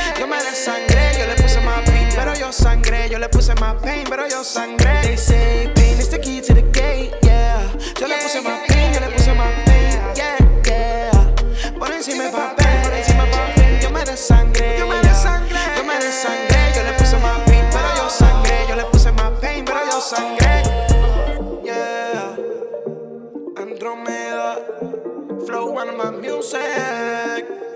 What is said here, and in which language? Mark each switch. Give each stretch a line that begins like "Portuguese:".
Spanish: Yo me desangré, yo le puse más pain, pero yo sangré. Yo le puse más pain, pero yo sangré.
English: They say pain is the key to the gate, yeah.
Spanish: Yo le puse más pain, yo le puse más pain, yeah, yeah. Por encima de papel, por encima de papel, yo me desangré, yo me desangré, yo me desangré. Yo le puse más pain, pero yo sangré. Yo le puse más pain, pero yo sangré.
English: Yeah, Andromeda. Flow one of my music.